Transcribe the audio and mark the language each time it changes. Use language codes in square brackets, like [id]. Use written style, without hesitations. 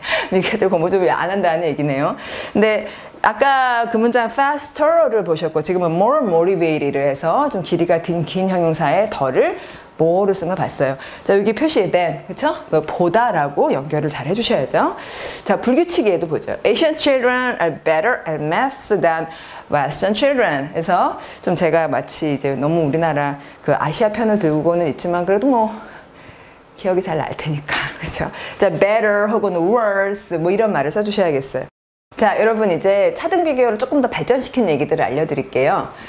[ko] 미국애들 공부 좀 안 한다는 얘기네요. 근데 아까 그 문장 faster를 보셨고 지금은 more motivated를 해서 좀 길이가 긴 형용사의 더를 뭐를 쓴 거 봤어요. 자, 여기 표시에 than, 그쵸? 그 보다라고 연결을 잘 해주셔야죠. 자, 불규칙에도 보죠. [en] Asian children are better at maths than Western children. [ko] 그래서 좀 제가 마치 이제 너무 우리나라 그 아시아 편을 들고는 있지만 그래도 뭐 기억이 잘 날 테니까. 그쵸? 자, better 혹은 worse 뭐 이런 말을 써주셔야겠어요. 자, 여러분 이제 차등 비교를 조금 더 발전시킨 얘기들을 알려드릴게요.